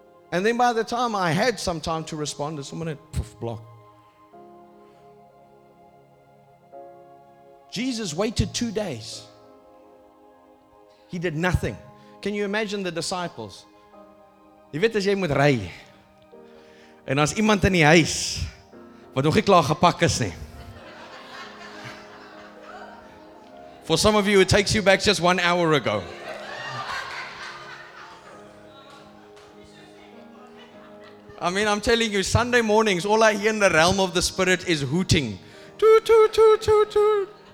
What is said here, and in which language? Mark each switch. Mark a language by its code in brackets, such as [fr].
[en] And then by the time I had some time to respond, someone had poof, blocked. Jesus waited 2 days. He did nothing. Can you imagine the disciples? [af] Jy weet as jy moet ry en as iemand in die huis wat nog nie klaar gepak is nie. [en] For some of you, it takes you back just 1 hour ago. I mean, I'm telling you, Sunday mornings, all I hear in the realm of the spirit is hooting. Toot, toot, toot, toot, toot.